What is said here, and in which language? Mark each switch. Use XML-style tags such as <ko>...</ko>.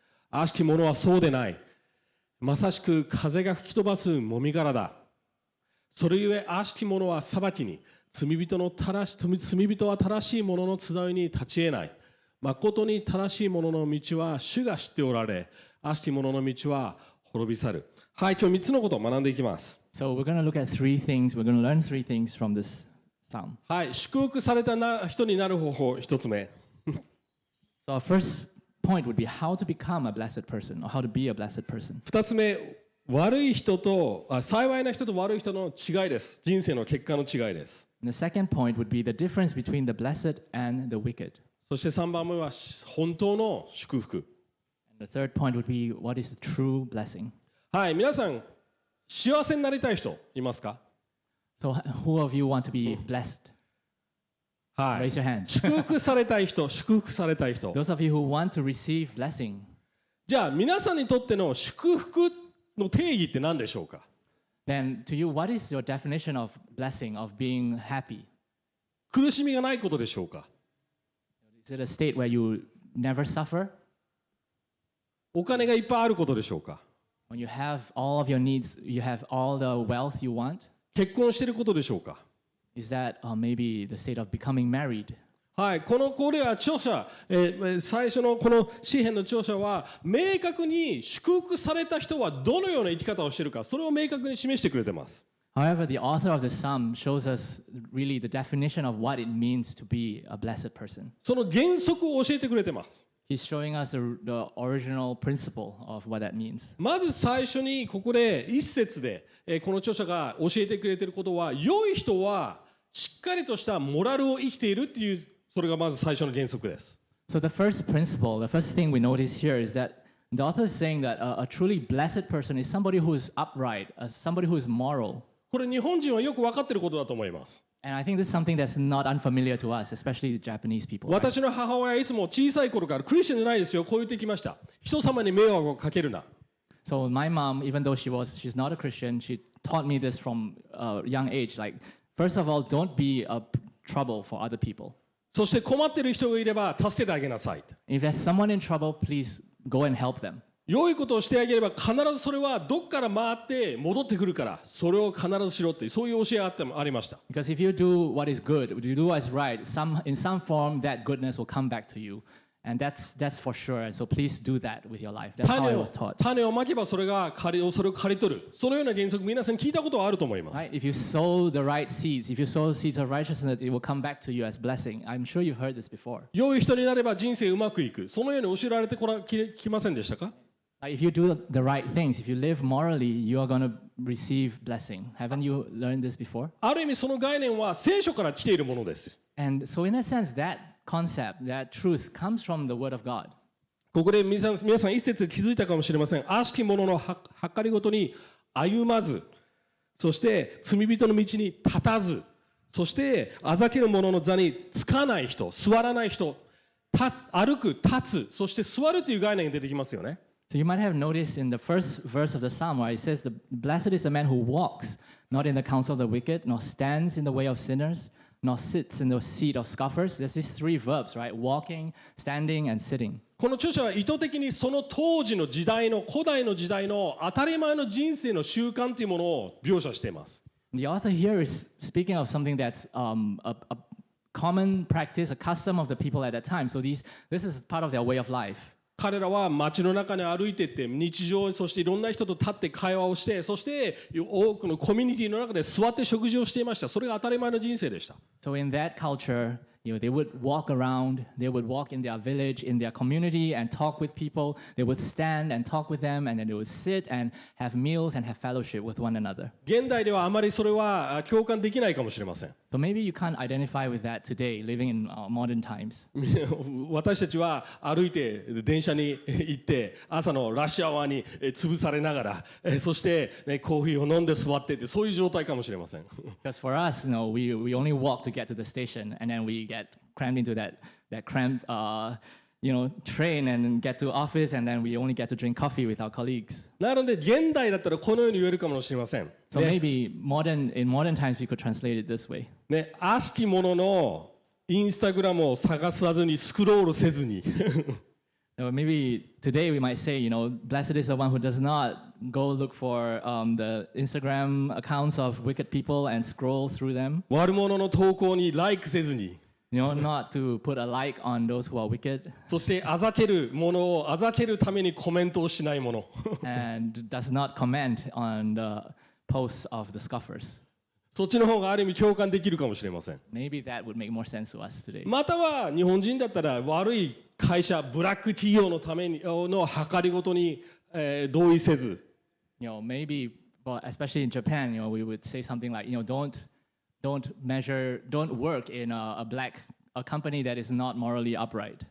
<ja>悪しき者はそうでない。まさしく風が吹き飛ばすもみ殻だ。それゆえ悪しき者は裁きに、罪人は正しい者の集いに立ち得ない。誠に正しい者の道は主が知っておられ、悪しき者の道は滅び去る。はい、今日3つのことを学んでいきます。</ja> <en>So we're going to look at three things. We're going to learn three things from this psalm.</en> <ja>はい、祝福された人になる方法、1つ目。</ja> <en>So our first point would be how to become a blessed person or how to be a blessed person.</en> <ja>2つ目。悪い人と、幸いな人と悪い人の違いです。人生の結果の違いです。</ja> <en>The second point would be the difference between the blessed and the wicked.</en> <ja>そして3番目は本当の祝福。</ja> <en>And the third point would be what is the true blessing.</en> <ja>はい、皆さん、幸せになりたい人いますか?</ja> <en>So who of you want to be blessed?</en> <ja>はい。</ja> <en>Raise your hand.</en> <ja>祝福されたい人。</ja> <en>Those of you who want to receive blessing.</en> <ja>じゃあ、皆さんにとっての祝福の定義って何でしょうか?</ja> <en>Then to you, what is your definition of blessing, of being happy?</en> <ja>苦しみがないことでしょうか?</ja> <en>Is it a state where you never suffer?</en> <ja>お金がいっぱいあることでしょうか?</ja> <en>When you have all of your needs, you have all the wealth you want?</en> <ja>結婚してることでしょうか?</ja> <en>Is that maybe the state of becoming married?</en> <ja>はい、このこれは著者、最初のこの詩編の著者は明確に祝福された人はどのような生き方をしているか、それを明確に示してくれています。</ja> <en>However, the author of this psalm shows us really the definition of what it means to be a blessed person.</en> <ja>その原則を教えてくれています。</ja> <en>He's showing us the original principle of what that means.</en> <ja>まず最初にここで一節で、この著者が教えてくれていることは、良い人はしっかりとしたモラルを生きているっていう、それがまず最初の原則です。</ja> <en>So the first principle, the first thing we notice here is that the author is saying that a truly blessed person is somebody who is upright, somebody who is moral.</en> <ja>これ日本人はよく分かっていることだと思います。</ja> <en>And I think this is something that's not unfamiliar to us, especially the Japanese people.</en> <ja>私の母親はいつも小さい頃からクリスチャンじゃないですよ、こう言ってきました。人様に迷惑をかけるな。</ja> <en>So my mom, even though she's not a Christian, she taught me this from a young age. Like, first of all, don't be a trouble for other people.</en> <ja>そして困ってる人がいれば助けてあげなさい。</ja> <en>If there's someone in trouble, please go and help them.</en> <ja>良いことをしてあげれば必ずそれはどっから回って戻ってくるから、それを必ずしろって、そういう教えがあってもありました。</ja> <en>Because if you do what is good, you do what is right, in some form that goodness will come back to you. And that's for sure. And so please do that with your life. That's how I was taught.</en> <ja>種をまけばそれを刈り取る。そのような原則、皆さん聞いたことはあると思います。</ja> <en>Right? If you sow the right seeds, if you sow seeds of righteousness, it will come back to you as blessing. I'm sure you've heard this before.</en> <ja>良い人になれば人生うまくいく。そのように教えられてきませんでしたか？</ja> <en>If you do the right things, if you live morally, you are going to receive blessing. Haven't you learned this before?</en> <ja>ある意味その概念は聖書から来ているものです。</ja> <en>And so in a sense that,concept that truth comes from the word of God.</en> <ja>ここで皆さん一節で気づいたかもしれません。悪しき者の計りごとに歩まず、そして罪人の道に立たず、そしてあざける者の座につかない人、座らない人、歩く、立つ、そして座るという概念が出てきますよね。</ja> <en>So you might have noticed in the first verse of the psalm where it says, the blessed is the man who walks not in the counsel of the wicked, nor stands in the way of sinners. Nor sits in the seat of scoffers. There's these three verbs, right? Walking, standing, and sitting.</en> <ja>この著者は意図的にその当時の時代の古代の時代の当たり前の人生の習慣というものを描写しています。</ja> <en>The author here is speaking of something that's a common practice, a custom of the people at that time. So this is part of their way of life.</en> <ja>彼らは街の中に歩いていって、日常、そしていろんな人と立って会話をして、そして多くのコミュニティの中で座って食事をしていました。それが当たり前の人生でした。</ja> <en>So in that culture, you know, they would walk around, they would walk in their village, in their community, and talk with people. They would stand and talk with them, and then they would sit and have meals and have fellowship with one another.</en> <ja>現代ではあまりそれは共感できないかもしれません。</ja> <en>So maybe you can't identify with that today, living in modern times.</en> <ja>私たちは歩いて電車に行って、朝のラッシュアワーに潰されながら、そして、ね、コーヒーを飲んで座ってって、そういう状態かもしれません。</ja> <en>Because for us, you know, we only walk to get to the station, and then we get crammed into that cramped, you know, train and get to office, and then we only get to drink coffee with our colleagues.</en> <ja>なので現代だったらこのように言えるかもしれません。</ja> <en>So maybe in modern times we could translate it this way.</en> <ja>ね、悪しき者のインスタグラムを探さずにスクロールせずに。</ja> <en>Maybe today we might say, you know, blessed is the one who does not go look for the Instagram accounts of wicked people and scroll through them.</en> <ja>悪者の投稿に like せずに。</ja> <en>You know, not to put a like on those who are wicked.</en> <ja>そしてあざけるものをあざけるためにコメントをしないもの。</ja> <en>And does not comment on the posts of the scoffers.</en> <ja>そっちの方がある意味共感できるかもしれません。</ja> <en>Maybe that would make more sense to us today.</en> <ja>または日本人だったら悪い会社、ブラック企業のために、の計りごとに、同意せず。</ja> <en>You know, maybe, but especially in Japan, you know, we would say something like, you know, don't work in a black a company that is not morally upright.</en>